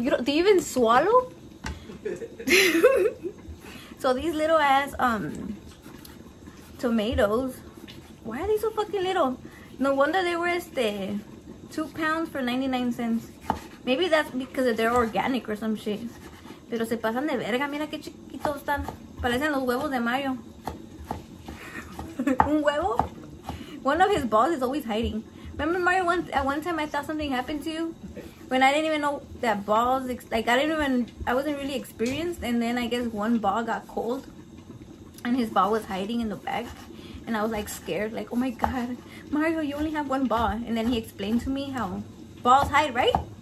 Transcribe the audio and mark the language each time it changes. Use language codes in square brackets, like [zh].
[en] Do you even swallow? So these little ass tomatoes, why are they so fucking little? No wonder they were 2 pounds for 99 cents. Maybe that's because they're organic or some shit. [es] Pero se pasan de verga, mira que chiquitos están. Parecen los huevos de Mario. Un huevo [en] One of his balls is always hiding. Remember, Mario, at one time I thought something happened to you? When I didn't even know that balls, I wasn't really experienced. And then I guess one ball got cold and his ball was hiding in the back. And I was like scared, like, oh my God, Mario, you only have one ball. And then he explained to me how balls hide, right?